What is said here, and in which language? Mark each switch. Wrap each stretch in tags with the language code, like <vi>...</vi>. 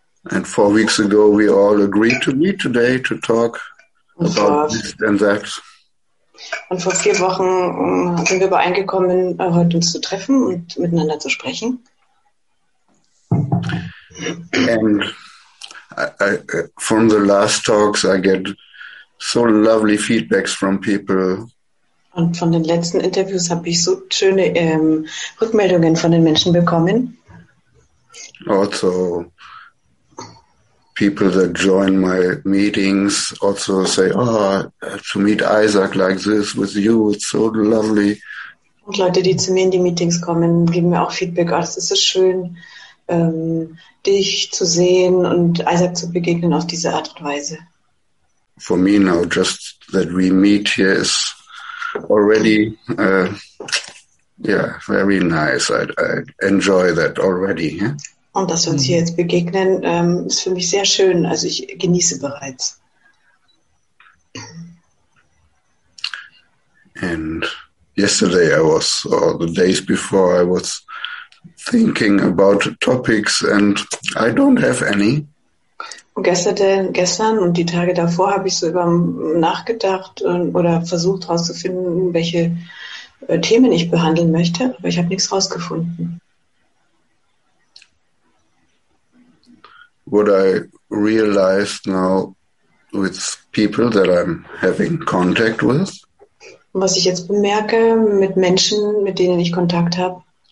<en>And 4 weeks ago we all agreed to meet today to talk about this and that.</en> <de>Und vor 4 Wochen sind wir übereingekommen, heute uns zu treffen und miteinander zu sprechen.</de> <en>And I, from the last talks, I get so lovely feedbacks from people.</en> <de>Und von den letzten Interviews habe ich so schöne Rückmeldungen von den Menschen bekommen.</de> <en>Also people that join my meetings also say, oh, to meet Isaac like this with you, it's so lovely.</en> <de>Und Leute, die zu mir in die Meetings kommen, geben mir auch Feedback. Oh, das ist so schön, dich zu sehen und Isaac zu begegnen auf diese Art und Weise.</de> <en>For me now, just that we meet here is already, yeah, very nice. I enjoy that already. Yeah?</en> <de>Und dass wir uns hier jetzt begegnen, ist für mich sehr schön. Also ich genieße bereits.</de> <en>And yesterday I was, or the days before, I was thinking about topics and I don't have any.</en> <de>Gestern und die Tage davor habe ich so über nachgedacht und, oder versucht herauszufinden, welche Themen ich behandeln möchte, aber ich habe nichts herausgefunden.</de> <en>What I realized now with people that I'm having contact with.</en> <de>Was ich jetzt bemerke mit Menschen, mit denen ich Kontakt habe.</de>